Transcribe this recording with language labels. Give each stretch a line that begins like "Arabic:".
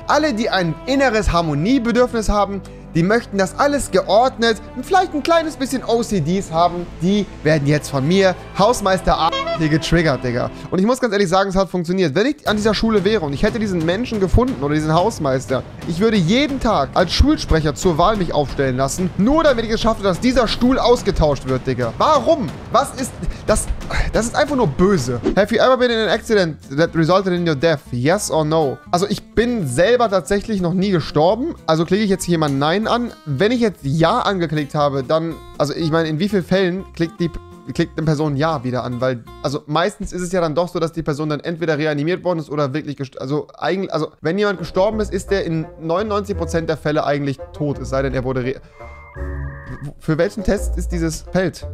German: Alle, die ein inneres Harmoniebedürfnis haben, die möchten das alles geordnet und vielleicht ein kleines bisschen OCDs haben, die werden jetzt von mir Hausmeister A. hier getriggert, Digga. Und ich muss ganz ehrlich sagen, es hat funktioniert. Wenn ich an dieser Schule wäre und ich hätte diesen Menschen gefunden oder diesen Hausmeister, ich würde jeden Tag als Schulsprecher zur Wahl mich aufstellen lassen, nur damit ich es schaffe, dass dieser Stuhl ausgetauscht wird, Digga. Warum? Was ist... Das ist einfach nur böse.
English: Have you ever been in an accident that resulted in your death? Yes or no?
German: Also ich bin selber tatsächlich noch nie gestorben. Also klicke ich jetzt jemanden Nein an? Wenn ich jetzt Ja angeklickt habe, dann... Also ich meine, in wie vielen Fällen klickt eine Person Ja wieder an, weil also meistens ist es ja dann doch so, dass die Person dann entweder reanimiert worden ist oder wirklich also wenn jemand gestorben ist, ist der in 99% der Fälle eigentlich tot, es sei denn, er wurde für welchen Test ist dieses Feld?